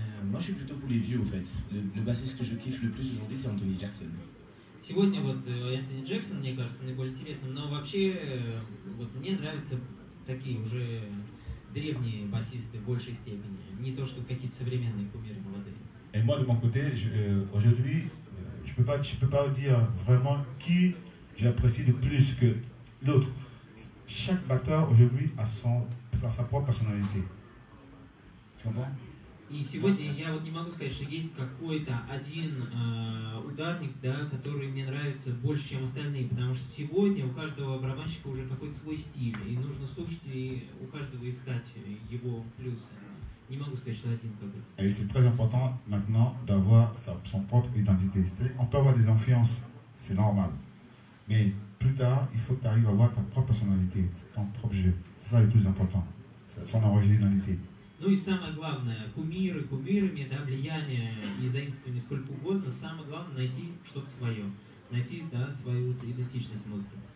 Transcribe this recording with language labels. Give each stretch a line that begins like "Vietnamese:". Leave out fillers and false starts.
French: Moi, je suis plutôt pour les vieux, en fait. Le bassiste que je kiffe le plus aujourd'hui, c'est Anthony Jackson.
Russian: Сегодня вот Энтони Джексон, мне кажется, наиболее интересным, но вообще вот мне нравятся такие уже древние басисты в большей степени, не то, что какие-то современные кумиры молодые.
French: Et moi, de mon côté, aujourd'hui, je peux pas dire vraiment qui j'apprécie de plus que l'autre. Chaque batteur aujourd'hui a sa propre personnalité. Tu comprends?
Russian: И сегодня я вот не могу сказать, что есть какой-то один ударник, да, который мне нравится больше, чем остальные, потому что сегодня у каждого барабанщика уже какой-то свой стиль, и нужно слушать и у каждого искать его плюсы. Не могу сказать, что один такой.
French: Et c'est très important maintenant d'avoir son propre identité. On peut avoir des influences, c'est normal, mais plus tard, il faut que tu arrives à avoir ta propre personnalité, ton propre jeu. C'est ça le plus important, son originalité.
Russian: Ну и самое главное, кумиры кумирами, да, влияние и заимствование сколько угодно, самое главное найти что-то свое, найти, да, свою идентичность в музыке.